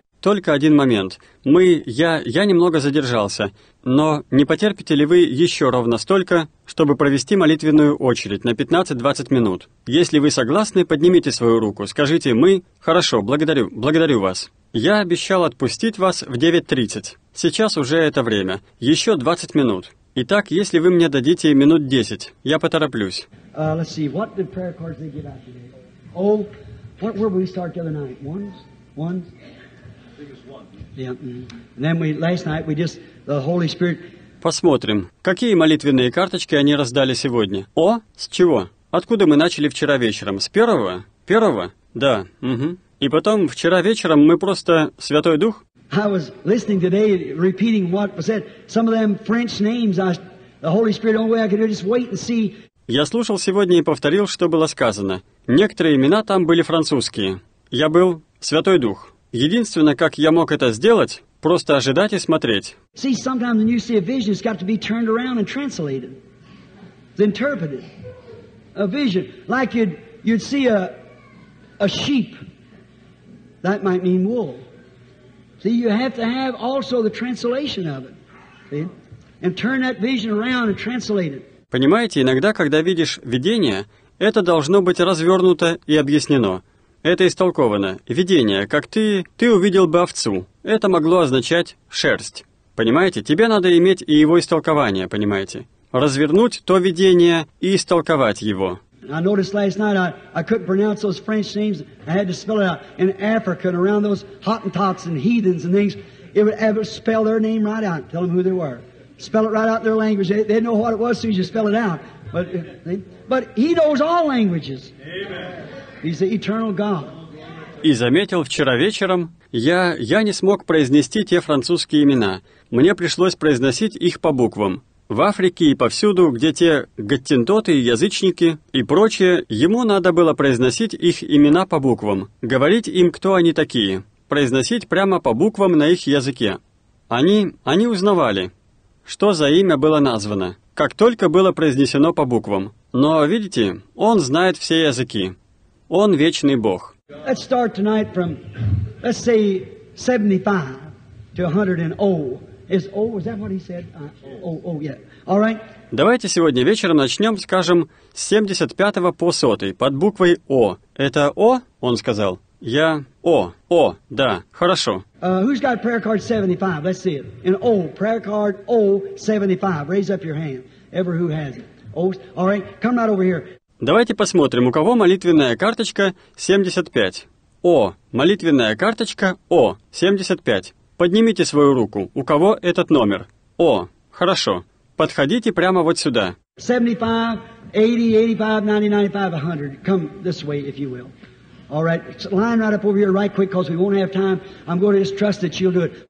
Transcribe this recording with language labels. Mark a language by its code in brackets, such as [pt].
[ru] Только один момент. Я немного задержался, но не потерпите ли вы еще ровно столько, чтобы провести молитвенную очередь на 15-20 минут? Если вы согласны, поднимите свою руку. Скажите «мы». Хорошо, благодарю вас. Я обещал отпустить вас в 9:30. Сейчас уже это время. Еще 20 минут. Итак, если вы мне дадите минут 10, я потороплюсь. [en] Let's see, what did prayer cards they give out today? Oh, what were we start the other night? Ones? I think it was one. Yeah. And then last night we just, the Holy Spirit [ru] Посмотрим, какие молитвенные карточки они раздали сегодня. О, с чего? Откуда мы начали вчера вечером? С первого? Первого? Да. Угу. И потом, вчера вечером мы просто... Святой Дух? [en] I was listening today, repeating what was said. Some of them French names, the Holy Spirit, the only way I could do it, just wait and see. [ru] Я слушал сегодня и повторил, что было сказано. Некоторые имена там были французские. Я был Святой Дух. Единственное, как я мог это сделать, просто ожидать и смотреть. [en] See, sometimes when you see a vision, it's got to be turned around and translated. It's interpreted. A vision. Like you'd see a sheep. That might mean wool. See, you have to have also the translation of it. See? And turn that vision around and translate it. [ru] Понимаете, иногда, когда видишь видение, это должно быть развернуто и объяснено. Это истолковано. Видение, как ты увидел бы овцу. Это могло означать шерсть. Понимаете, тебе надо иметь и его истолкование, понимаете? Развернуть то видение и истолковать его. [en] I noticed last night I couldn't pronounce those French names. I had to spell it out. In Africa and around those Hottentots and heathens and things, it would ever spell their name right out, tell them who they were. Spell it right out in their language. They know what it was, so you just spell it out. But he knows all languages. Amen. He's the eternal God. [ru] И заметил вчера вечером, я не смог произнести те французские имена. Мне пришлось произносить их по буквам. В Африке и повсюду, где те гаттентоты, язычники и прочее, ему надо было произносить их имена по буквам, говорить им, кто они такие, произносить прямо по буквам на их языке. Они узнавали, что за имя было названо, как только было произнесено по буквам. Но, видите, он знает все языки. Он вечный Бог. [en] Let's start tonight from, let's say, 75 to 100 and O. Is O, is that what he said? Yeah. All right. [ru] Давайте сегодня вечером начнем, скажем, с 75 по 100, под буквой О. Это О, он сказал? Я О. О, да, хорошо. [en] Who's got prayer card 75? Let's see it. In O, prayer card O, 75. Raise up your hand. Ever who has it. O, all right, come right over here. [ru] Давайте посмотрим, у кого молитвенная карточка 75. О, молитвенная карточка О, 75. Поднимите свою руку, у кого этот номер. О, хорошо. Подходите прямо вот сюда. [en] 75, 80, 85, 90, 95, 100. Come this way, if you will. All right, line right up over here right quick, because we won't have time. I'm going to just trust that you'll do it.